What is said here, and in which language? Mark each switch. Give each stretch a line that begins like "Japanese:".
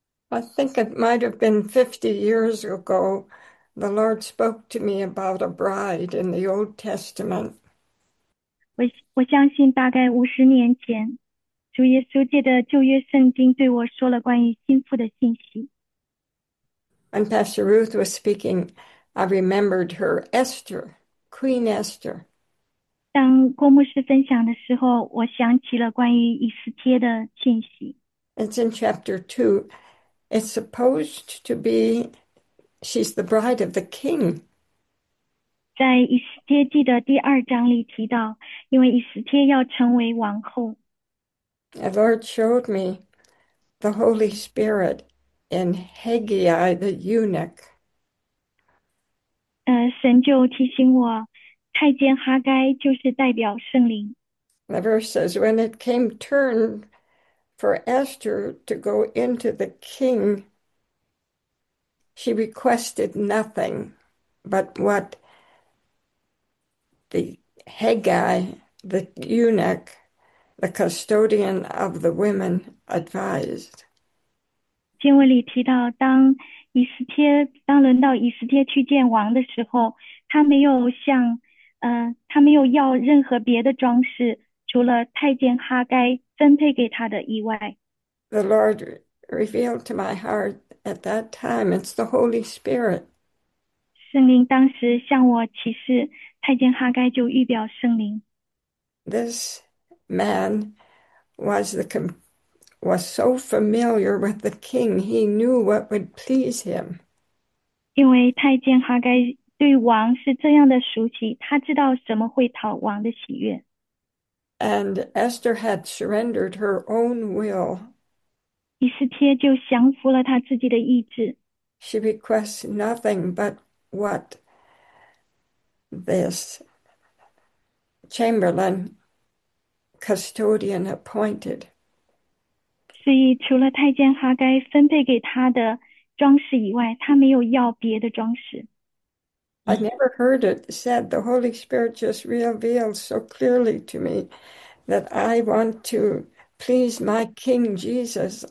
English: I think it might have been 50 years ago, the Lord spoke to me about a bride in the Old Testament.
Chinese: 我相信大概50年前，主耶稣借着旧约圣经对我说了关于心腹的信息。
English: When Pastor Ruth was speaking, I remembered her, Esther, Queen Esther.
Chinese: 当郭牧师分享的时候，我想起了关于以斯帖的信息。
English: It's in chapter 2. It's supposed to be, she's the bride of the king.
Chinese: 在以斯帖记的第二章里提到，因为以斯帖要成为王后。
English: The Lord showed me the Holy Spirit in Haggai the eunuch.
Chinese: 神就提醒我。太监哈该就是代表圣灵。
English: The verse says, when it came turn for Esther to go into the king, she requested nothing but what the Haggai, the eunuch, the custodian of the women, advised.
Chinese: 经文里提到，当轮到以斯帖去见王的时候，他没有要任何别的装饰，除了太监哈该分配给他的以外。
English: The Lord revealed to my heart at that time, it's the Holy Spirit.
Chinese: 圣灵当时向我启示，太监哈该就预表圣灵。
English: This man was so familiar with the king, he knew what would please him.
Chinese: 因为太监哈该对王是这样的熟悉，他知道什么会讨王的喜悦。
English: And Esther had surrendered her own will.
Chinese: 以斯帖就降服了他自己的意志。
English: She requests nothing but what this chamberlain custodian appointed.
Chinese: 所以，除了太监哈该分配给他的装饰以外，他没有要别的装饰。
English: I never heard it said. The Holy Spirit just revealed so clearly to me that I want to please my King Jesus.